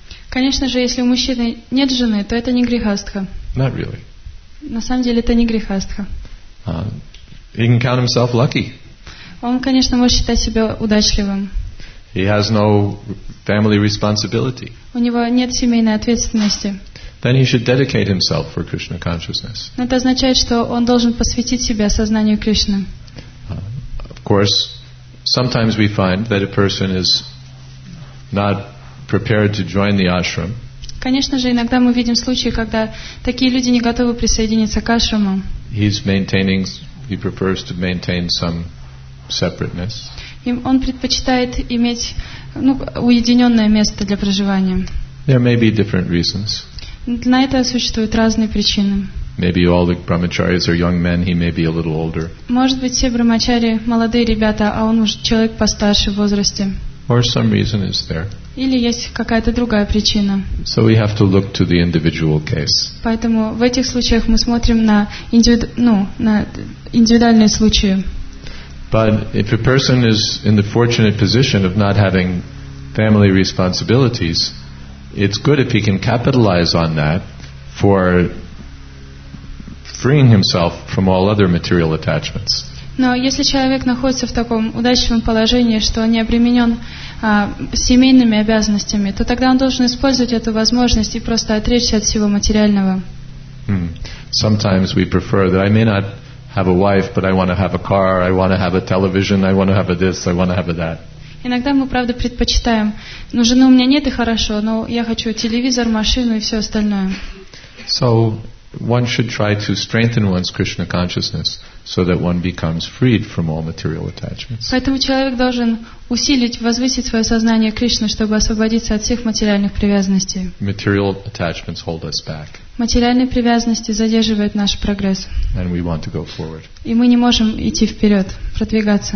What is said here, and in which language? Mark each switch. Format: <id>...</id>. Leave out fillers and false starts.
<ru>Конечно же, если у мужчины нет жены, то это не грихастха.</ru> <en>Not really.</en> <ru>На самом деле, это не грихастха.</ru> <en>He can count himself lucky.</en> <ru>Он, конечно, может считать себя удачливым.</ru> <en>He has no family responsibility.</en> <ru>У него нет семейной ответственности.</ru> <en>Then he should dedicate himself for Krishna consciousness.</en> <ru>Но это означает, что он должен посвятить себя сознанию Кришны.</ru> <en>Of course, sometimes we find that a person is not prepared to join the ashram.</en> <ru>Конечно же, иногда мы видим случаи, когда такие люди не готовы присоединиться к ашраму.</ru> <en>He prefers to maintain some separateness.</en> <ru>Он предпочитает иметь, ну, уединенное место для проживания.</ru> <en>There may be different reasons.</en> <ru>На это существуют разные причины.</ru> <en>Maybe all the brahmacharis are young men, he may be a little older.</en> <ru>Может быть, все брахмачари молодые ребята, а он уже человек постарше в возрасте.</ru> <en>Or some reason is there.</en> <ru>Или есть какая-то другая причина.</ru> <en>So we have to look to the individual case.</en> <ru>Поэтому в этих случаях мы смотрим на индивидуальные случаи.</ru> <en>But if a person is in the fortunate position of not having family responsibilities, it's good if he can capitalize on that for freeing himself from all other material attachments.</en> <ru>Но если человек находится в таком удачном положении, что он не обременен семейными обязанностями, то тогда он должен использовать эту возможность и просто отречься от всего материального.</ru> <en>Sometimes we prefer that I may not have a wife, but I want to have a car, I want to have a television, I want to have a this, I want to have a that.</en> <ru>Иногда мы правда предпочитаем, но жены у меня нет и хорошо, но я хочу телевизор, машину и все остальное.</ru> <en>So one should try to strengthen one's Krishna consciousness so that one becomes freed from all material attachments.</en> <ru>Поэтому человек должен усилить, возвысить свое сознание Кришны, чтобы освободиться от всех материальных привязанностей.</ru> <en>Material attachments hold us back.</en> <ru>Материальные привязанности задерживают наш прогресс.</ru> <en>And we want to go forward.</en> <ru>И мы не можем идти вперед, продвигаться.</ru>